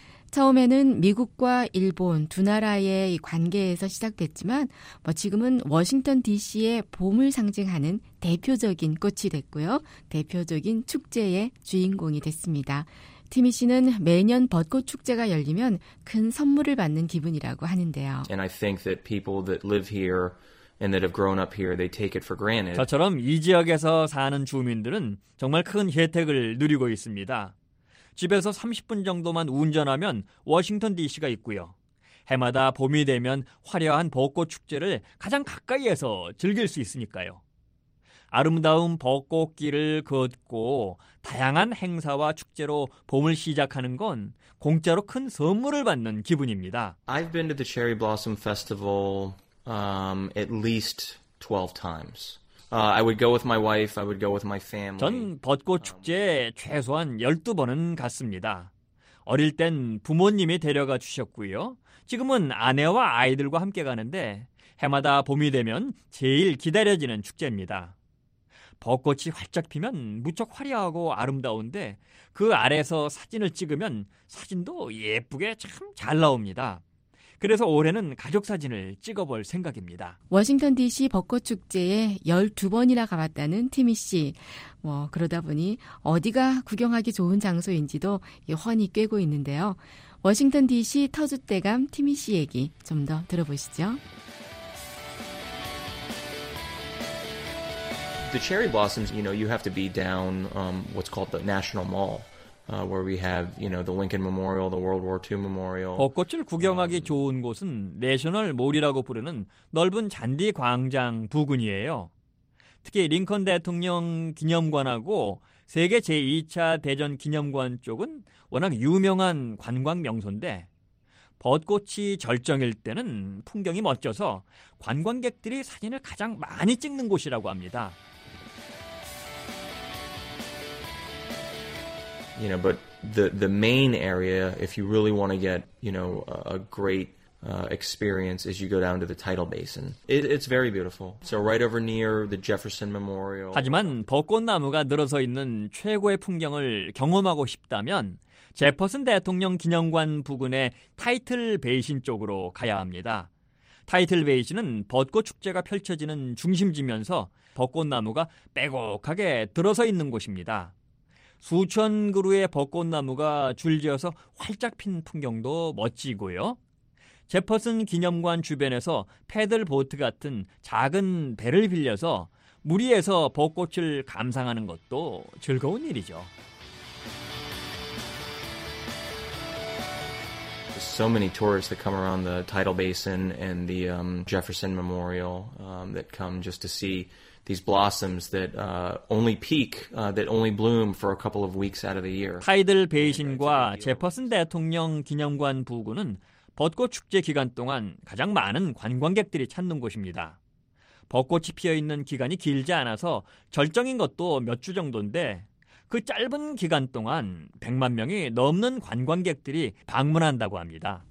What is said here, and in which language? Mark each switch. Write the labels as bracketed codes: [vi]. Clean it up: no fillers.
[ko] 처음에는 미국과 일본 두 나라의 관계에서 시작됐지만 뭐 지금은 워싱턴 DC의 봄을 상징하는 대표적인 꽃이 됐고요. 대표적인 축제의 주인공이 됐습니다. 티미 씨는 매년 벚꽃 축제가 열리면 큰 선물을 받는 기분이라고 하는데요. And I think that people that live here and that have grown up here, they take it for granted. 저처럼 이 지역에서 사는 주민들은 정말 큰 혜택을 누리고 있습니다. 집에서 30분 정도만 운전하면 워싱턴 DC가 있고요. 해마다 봄이 되면 화려한 벚꽃 축제를 가장 가까이에서 즐길 수 있으니까요. 아름다운 벚꽃길을 걷고 다양한 행사와 축제로 봄을 시작하는 건 공짜로 큰 선물을 받는 기분입니다. [en] I've been to the Cherry Blossom Festival at least 12 times. I would go with my wife, I would go with my family. [ko] 전 벚꽃 축제에 최소한 12번은 갔습니다. 어릴 땐 부모님이 데려가 주셨고요. 지금은 아내와 아이들과 함께 가는데 해마다 봄이 되면 제일 기다려지는 축제입니다. 벚꽃이 활짝 피면 무척 화려하고 아름다운데 그 아래서 사진을 찍으면 사진도 예쁘게 참 잘 나옵니다. 그래서 올해는 가족 사진을 찍어볼 생각입니다. 워싱턴 DC 벚꽃 축제에 12번이나 가봤다는 티미 씨. 뭐 그러다 보니 어디가 구경하기 좋은 장소인지도 훤히 꿰고 있는데요. 워싱턴 DC 터줏대감 티미 씨 얘기 좀 더 들어보시죠. [en] The cherry blossoms, you know, you have to be down what's called the National Mall. Where we have, you know, the Lincoln Memorial, the World War II Memorial. [ko] 벚꽃을 구경하기 좋은 곳은 내셔널 몰이라고 부르는 넓은 잔디 광장 부근이에요. 특히 링컨 대통령 기념관하고 세계 제2차 대전 기념관 쪽은 워낙 유명한 관광 명소인데 벚꽃이 절정일 때는 풍경이 멋져서 관광객들이 사진을 가장 많이 찍는 곳이라고 합니다. [en] You know, but the main area, if you really want to get, you know, a great experience, is you go down to the tidal basin. It's very beautiful. So right over near the Jefferson Memorial. [ko] 하지만 벚꽃나무가 늘어서 있는 최고의 풍경을 경험하고 싶다면 제퍼슨 대통령 기념관 부근의 타이틀 베이신 쪽으로 가야 합니다. 타이틀 베이신은 벚꽃 축제가 펼쳐지는 중심지면서 벚꽃나무가 빼곡하게 들어서 있는 곳입니다. 수천 그루의 벚꽃나무가 줄지어서 활짝 핀 풍경도 멋지고요. 제퍼슨 기념관 주변에서 패들보트 같은 작은 배를 빌려서 물 위에서 벚꽃을 감상하는 것도 즐거운 일이죠. [en] So many tourists that come around the Tidal Basin and the Jefferson Memorial that come just to see these blossoms that only peak, that only bloom for a couple of weeks out of the year. [ko] 타이들 베이신과 제퍼슨 대통령 기념관 부근은 벚꽃 축제 기간 동안 가장 많은 관광객들이 찾는 곳입니다. 벚꽃이 피어 있는 기간이 길지 않아서 절정인 것도 몇 주 정도인데 그 짧은 기간 동안 100만 명이 넘는 관광객들이 방문한다고 합니다.